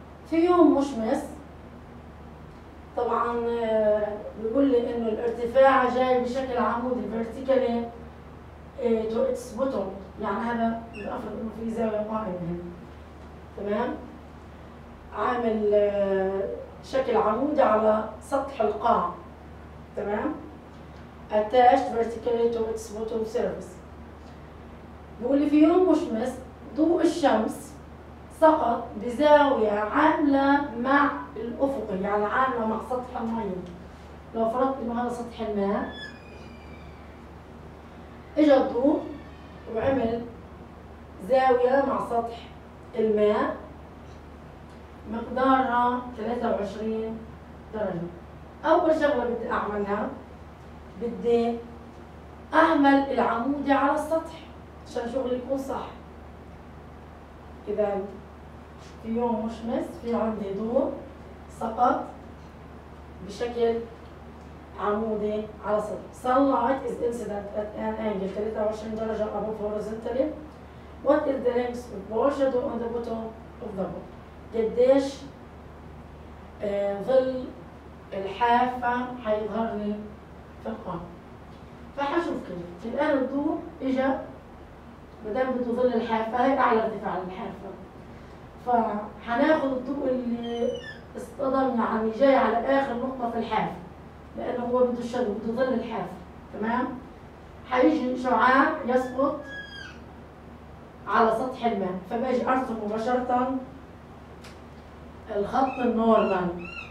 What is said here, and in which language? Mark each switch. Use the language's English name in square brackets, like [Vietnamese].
[Arabic] في يوم مشمس طبعا بيقول لي انه الارتفاع جاي بشكل عمودي [English] vertically to its bottom, [Arabic] يعني هذا بيفرض انه في زاوية قائمة. تمام؟ عامل شكل عمودي على سطح القاع. تمام؟ [English] attached vertically to its bottom surface. [Arabic] بيقول لي في يوم مشمس ضوء الشمس سقط بزاوية عاملة مع الأفق، يعني عاملة مع سطح الماء. لو فرضت انه هذا سطح الماء اجى الضوء وعمل زاوية مع سطح الماء مقدارها 23 درجة. أول شغلة بدي أعملها بدي أعمل العمودي على السطح عشان شغلي يكون صح. إذا في يوم مشمس في عندي ضوء سقط بشكل عمودي على سطح. [English] Sunlight is incident at an angle 23 درجة above horizontally. What is the length of the shadow on the bottom of the bowl؟ [Arabic] قديش ظل الحافة حيظهر لي في القاع؟ فحشوف كده الآن الضوء إجا مدام بده ظل الحافة، هي أعلى ارتفاع للحافة، فحناخد الضوء اللي اصطدم يعني جاي على آخر نقطة في الحافة، لأنه هو بده الشادو بده ظل الحافة، تمام؟ حيجي شعاع يسقط على سطح الماء، فباجي أرسم مباشرة الخط النورمال.